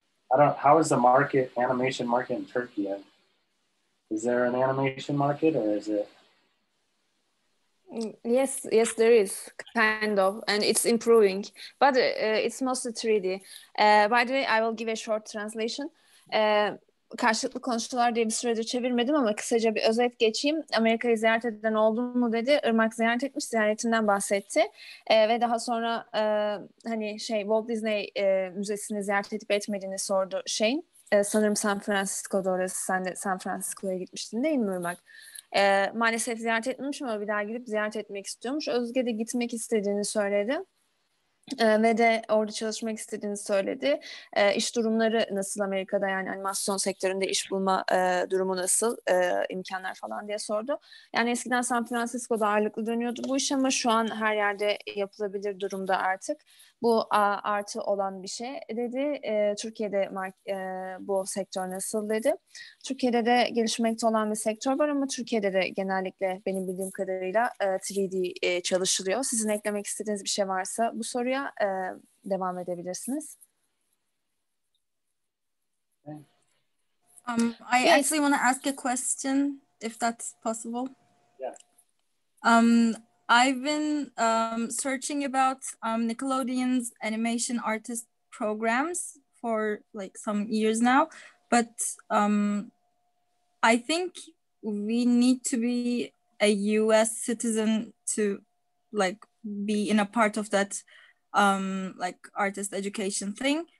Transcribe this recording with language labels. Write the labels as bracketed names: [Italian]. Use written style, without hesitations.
[English] How is the market, animation market in Turkey? Is there an animation market or is it? Yes, there is, kind of, and it's improving, but it's mostly 3D. By the way, I will give a short translation. [Turkish] Karşılıklı konuştular diye bir süredir çevirmedim ama kısaca bir özet geçeyim. Amerika'yı ziyaret eden oldun mu dedi. Irmak ziyaret etmiş, ziyaretinden bahsetti. Ve daha sonra Walt Disney Müzesi'ni ziyaret edip etmediğini sordu Shane. Sanırım San Francisco'da orası. Sen de San Francisco'ya gitmiştin değil mi Irmak? Maalesef ziyaret etmemiş ama bir daha gidip ziyaret etmek istiyormuş. Özge de gitmek istediğini söyledi. Ve de orada çalışmak istediğini söyledi. İş durumları nasıl Amerika'da, yani animasyon sektöründe iş bulma durumu nasıl, imkanlar falan diye sordu. Yani eskiden San Francisco'da ağırlıklı dönüyordu bu iş ama şu an her yerde yapılabilir durumda artık. Bu artı olan bir şey dedi. Türkiye'de bu sektör nasıl dedi. Türkiye'de de gelişmekte olan bir sektör var ama Türkiye'de de genellikle benim bildiğim kadarıyla 3D çalışılıyor. Sizin eklemek istediğiniz bir şey varsa bu soruya devam edebilirsiniz. [English] I actually want to ask a question if that's possible. Yeah. I've been searching about Nickelodeon's animation artist programs for like some years now, but I think we need to be a US citizen to like be in a part of that like artist education thing.